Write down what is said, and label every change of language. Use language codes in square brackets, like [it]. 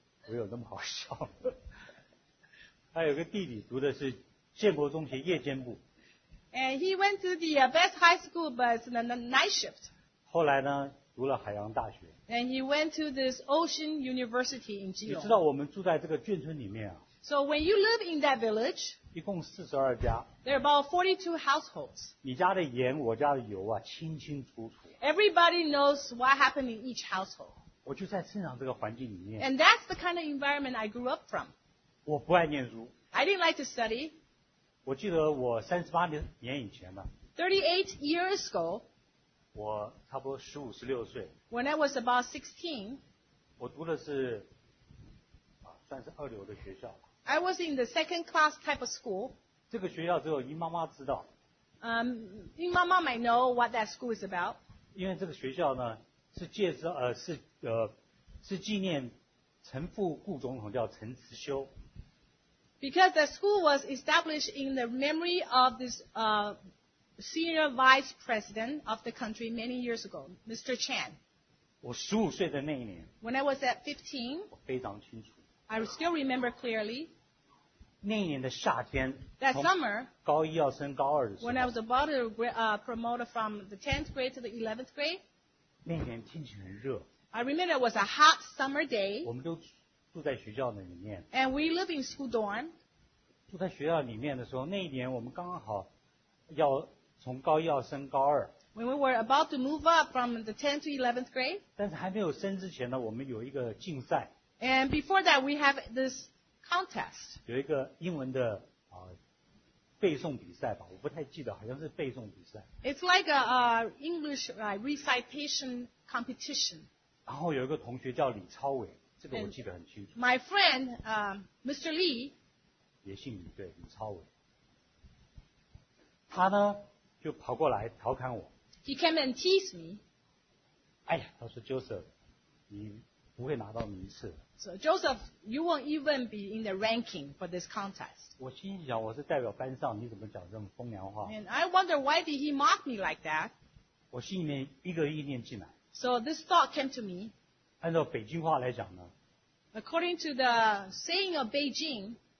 [zh] 我有那么好笑？他有个弟弟，读的是建国中学夜间部。 [en] And he went to the best high school, but it's the night shift. [zh] 后来呢，读了海洋大学。 [en] And he went to this Ocean University in Geelong. [zh] 你知道我们住在这个眷村里面啊。 [en] So when you live in that village, [zh] 一共四十二家。 [en] There are about 42 households. [zh] 你家的盐，我家的油啊，清清楚楚。 [en] Everybody knows what happened in each household. [zh] 我就在生长这个环境里面。 [en] And that's the kind of environment I grew up from. [zh] 我不爱念书。 [en] I didn't like to study. [zh] 我记得我38年以前吧。 [en] 38 years ago. [zh] 我差不多十五十六岁。 [en] When I was about 16. [zh] 我读的是。算是二流的学校。 [en] I was in the second class type of school. [zh] 这个学校只有英妈妈知道。 [en] 英妈妈 might know what that school is about. [zh] 因为这个学校呢，是介绍是纪念陈副顾总统叫陈慈修。 [en] Because the school was established in the memory of this senior vice president of the country many years ago, Mr. Chan. [zh] 我十五岁的那一年。 [en] When I was at 15. [zh] 我非常清楚。 [en] I still remember clearly. [zh] 那一年的夏天 [en] that summer, [zh] 高一要升高二的时候 [en] when I was about to promote from the 10th grade to the 11th grade, [zh] 那年天气很热 [en] I remember it was a hot summer day. [zh] 我们都住在学校的里面 [en] and we live in school dorm. [zh] 住在学校里面的时候那一年我们刚好要从高一要升高二 [en] when we were about to move up from the 10th to 11th grade, [zh] 但是还没有升之前呢我们有一个竞赛 [en] And before that, we have this contest. [zh] 有一个英文的背诵比赛吧，我不太记得，好像是背诵比赛。 [en] It's like a English recitation competition. [zh] 然后有一个同学叫李超伟，这个我记得很清楚。 [en] My friend, Mr. Lee. [zh] 也姓李，对，李超伟。他呢就跑过来调侃我。 [en] He came and teased me. [zh] 哎呀，他说 Joseph, 你。不会拿到名次。 [en] So Joseph, you won't even be in the ranking for this contest. [zh] 我心想，我是代表班上，你怎么讲这种风凉话 [en] ？And I wonder why did he mock me like that? [zh] 我心里面一个意念进来。 [en] So this thought came to me. [zh] 按照北京话来讲呢 [en] ？According to the saying of Beijing.